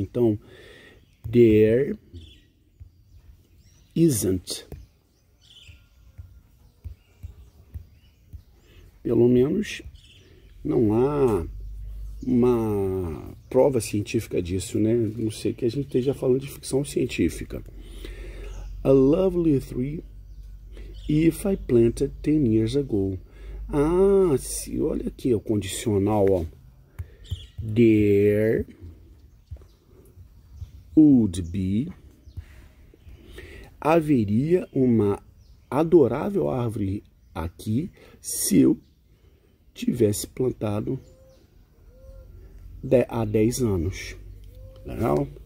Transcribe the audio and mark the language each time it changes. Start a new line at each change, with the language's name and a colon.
Portuguese: Então,
English: there isn't.
Portuguese: Pelo menos, não há uma prova científica disso, né? Não sei que a gente esteja falando de ficção científica.
English: A lovely tree, if I planted 10 years ago.
Portuguese: Ah, sim, olha aqui o condicional, ó.
English: There would be,
Portuguese: haveria uma adorável árvore aqui se eu tivesse plantado há 10 anos. Legal?